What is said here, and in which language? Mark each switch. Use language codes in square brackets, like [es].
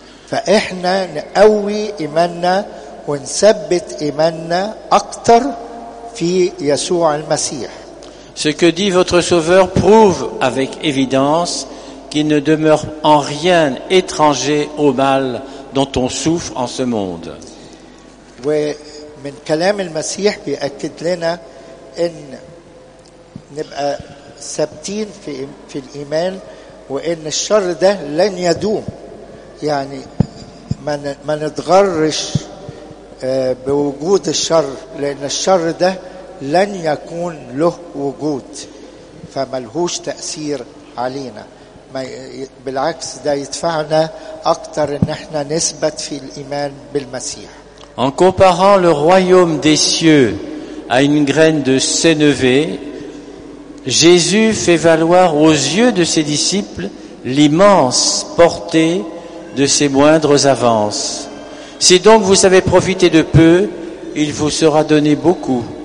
[ar] فإحنا نقوي إيماننا ونثبت إيماننا أكتر في يسوع المسيح. [fr] Ce que dit votre Sauveur prouve avec évidence qui ne demeure en rien étranger au mal dont on souffre en ce monde. [ar] ومن كلام المسيح بيأكد لنا ان نبقى ثابتين في الايمان وان الشر ده لن يدوم يعني ما نتغرش بوجود الشر لان الشر ده لن يكون له وجود فما لهوش تأثير علينا بالعكس ده يدفعنا اكتر ان احنا نثبت في الايمان بالمسيح. [fr] En comparant le royaume des cieux à une graine de sénévé, Jésus fait valoir aux yeux de ses disciples l'immense portée de ses moindres avances. Si donc vous savez profiter de peu, il vous sera donné beaucoup.